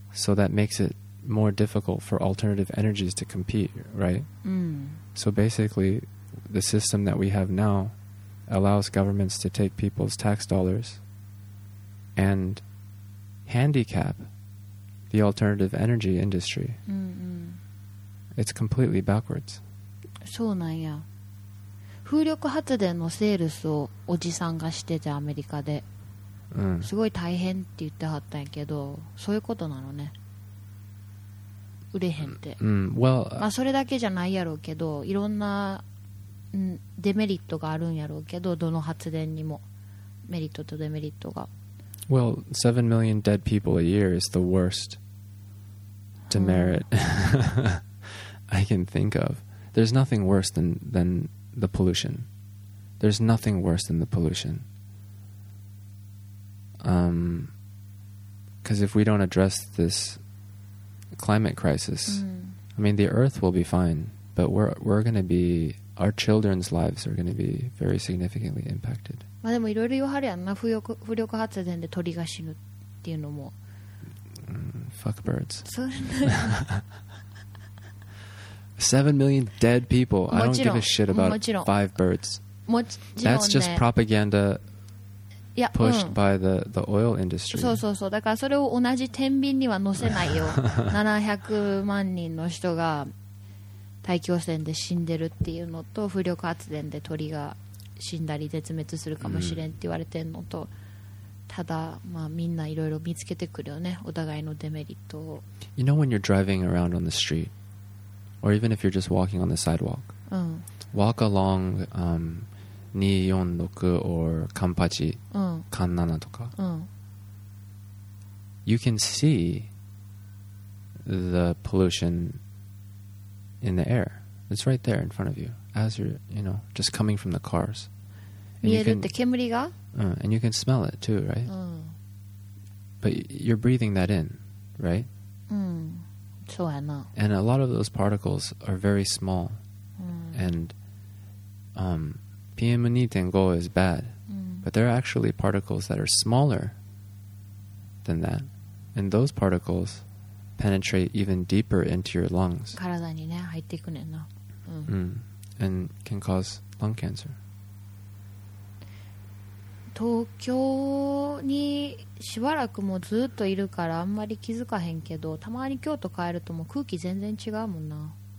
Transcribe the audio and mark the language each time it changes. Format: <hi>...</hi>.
<en>So that makes it more difficult for alternative energies to compete, right? So basically, the system that we have now allows governments to take people's tax dollars and handicap the alternative energy industry. It's completely backwards.</en> <ja>そうなんや。風力発電のセールスをおじさんがしててアメリカで、すごい大変って言ってはったんやけど、そういうことなのね。売れへんって。</ja> <en>Well,</en> <ja>まあそれだけじゃないやろうけど、いろんなデメリットがあるんやろうけど、どの発電にもメリットとデメリットが。</ja> <en>Well, 7 million dead people a year is the worst demerit I can think of. There's nothing worse than the pollution. There's nothing worse than the pollution. Because if we don't address this climate crisis, I mean, the Earth will be fine, but we're going to be, our children's lives are going to be very significantly impacted.</en> <ja>まあ、でもいろいろ言われやんな。風力発電で鳥が死ぬっていうのも、</ja> <en>Fuck birds. 7 million dead people. I don't give a shit about five birds.</en> <ja>もちろん、ね、</ja> <en>That's just propaganda pushed by the oil industry.</en> <ja>そうそうそう。だからそれを同じ天秤には乗せないよ。700万人の人が大気汚染で死んでるっていうのと、風力発電で鳥が死んだり絶滅するかもしれんって言われてんのと、ただまあみんないろいろ見つけてくるよね、お互いのデメリットを。</ja> <en>You know when you're driving around on the street, or even if you're just walking on the sidewalk,、walk along 246 or Kanpachi, Kannana とか、you can see the pollution in the air. It's right there in front of you, as you're, you know, just coming from the cars. And you can smell it too, right? But you're breathing that in, right?</en> <ja>そうやな。</ja> <en>And a lot of those particles are very small. And PM2.5 is bad. But there are actually particles that are smaller than that. And those particles penetrate even deeper into your lungs.</en> <ja>体にね、入ってくねんな。</ja> <en>And can cause lung cancer.</en> <ja>東京にしばらくもずっといるからあんまり気づかへんけど、たまに京都帰るともう空気全然違うもんな。</ja>